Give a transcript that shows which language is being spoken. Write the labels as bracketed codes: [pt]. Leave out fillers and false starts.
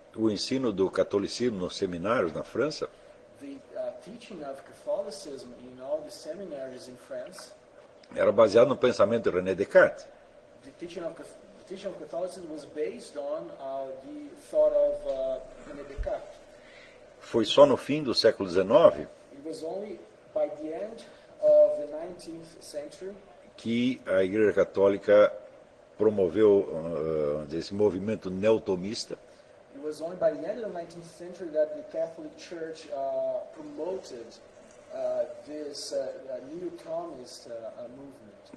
[pt] o ensino do catolicismo nos seminários na França, [en] the teaching of Catholicism in all the seminaries in France, [pt] era baseado no pensamento de René Descartes. [en] The teaching of Catholicism was based on the thought of René Descartes. [pt] Foi só no fim do século XIX, [en] it was only by the end of the 19th century, [pt] que a Igreja Católica promoveu esse movimento neotomista. [en] It was only by the end of the 19th century that the Catholic Church promoted this neotomist movement.